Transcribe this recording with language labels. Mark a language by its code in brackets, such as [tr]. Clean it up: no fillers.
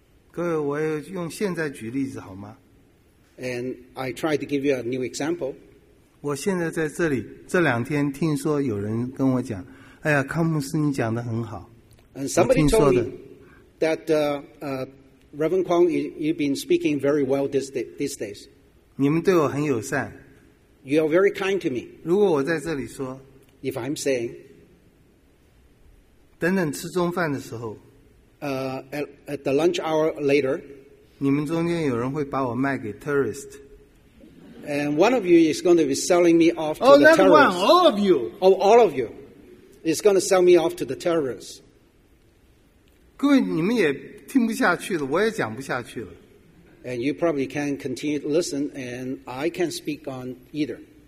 [zh] 各位，我用现在举例子好吗？ [en] And I try to give you a new example. [zh] 我现在在这里，这两天听说有人跟我讲， 哎呀，康牧师你讲得很好。 [en] And somebody told me that Reverend Kwong, you've been speaking very well these days. [zh] 你们对我很友善。 [en] You are very kind to me. [zh] 如果我在这里说, [en] if I'm saying, [zh] 等等吃中饭的时候, [en] at the lunch hour later, [zh] 你们中间有人会把我卖给tourist。 [en] And one of you is going to be selling me off to the terrorists. Oh, never mind, all of you. Oh, all of you is going to sell me off to the terrorists. [zh] 各位，你们也听不下去了，我也讲不下去了。And [en] you probably can't continue to listen, and I can't speak on either.